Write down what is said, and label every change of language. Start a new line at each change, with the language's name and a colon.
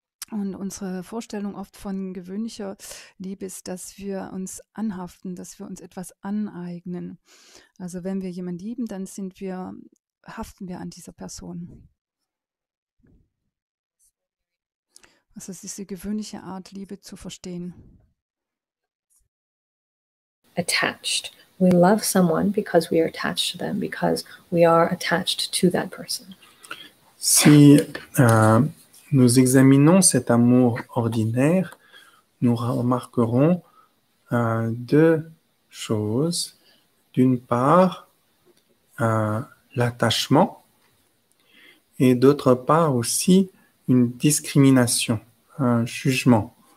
German: Und unsere Vorstellung oft von gewöhnlicher Liebe ist, dass wir uns anhaften, dass wir uns etwas aneignen. Also wenn wir jemanden lieben, dann sind wir, haften wir an dieser Person. Also es ist diese gewöhnliche Art, Liebe zu verstehen.
English: Attached. We love someone because we are attached to them, because we are attached to that person.
French: Si nous examinons cet amour ordinaire, nous remarquerons deux choses. D'une part, l'attachement, et d'autre part aussi une discrimination, un jugement.